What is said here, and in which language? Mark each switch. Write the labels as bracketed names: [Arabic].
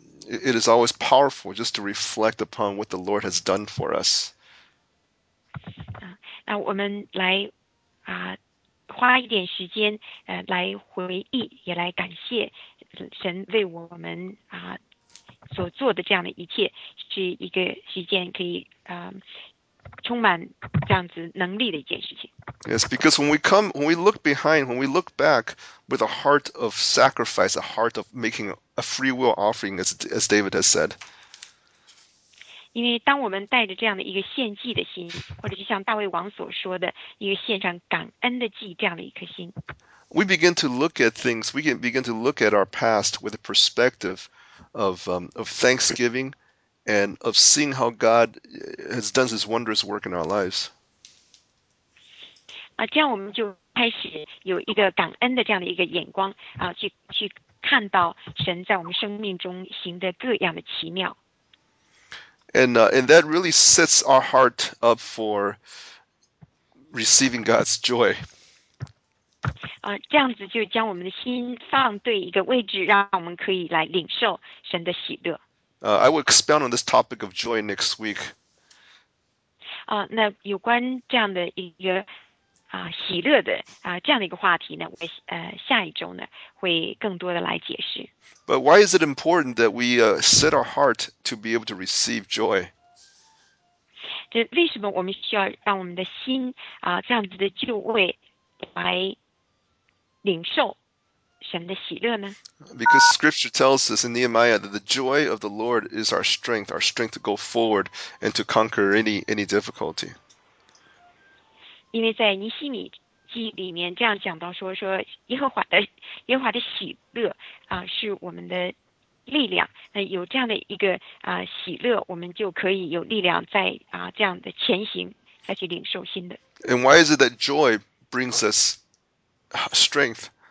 [English] It is always powerful just to reflect upon what the Lord has done for us. [Chinese] 那我们来花一点时间来回忆，也来感谢神为我们所做的这样的一切，是一个时间可以充满这样子能力的一件事情。 [English] Yes, because when we look behind, when we look back with a heart of sacrifice, a heart of making a free will offering, as David has said. [Chinese] 因为当我们带着这样的一个献祭的心，或者就像大卫王所说的一个献上感恩的祭这样的一颗心。 [English] We begin to look at things, we can begin to look at our past with a perspective of thanksgiving. And of seeing how God has done His wondrous work in our lives. [Chinese] 这样我们就开始有一个感恩的这样的一个眼光去看到神在我们生命中行的各样的奇妙。 [English] And that really sets our heart up for receiving God's joy. [Chinese] 这样子就将我们的心放对一个位置，让我们可以来领受神的喜乐。 [English] I will expound on this topic of joy next week. [Chinese] 那有关这样的一个喜乐的这样的一个话题呢，我下一周呢会更多的来解释。 [English] But why is it important that we set our heart to be able to receive joy? [Chinese] 这为什么我们需要让我们的心这样子的就位来领受神的喜乐呢？ [English] Because scripture tells us in Nehemiah that the joy of the Lord is our strength to go forward and to conquer any difficulty. [Chinese] 因为在尼西米记里面这样讲到说耶和华的喜乐是我们的力量。那有这样的一个喜乐，我们就可以有力量在这样的前行，再去领受新的。 [English] And why is it that joy brings us strength?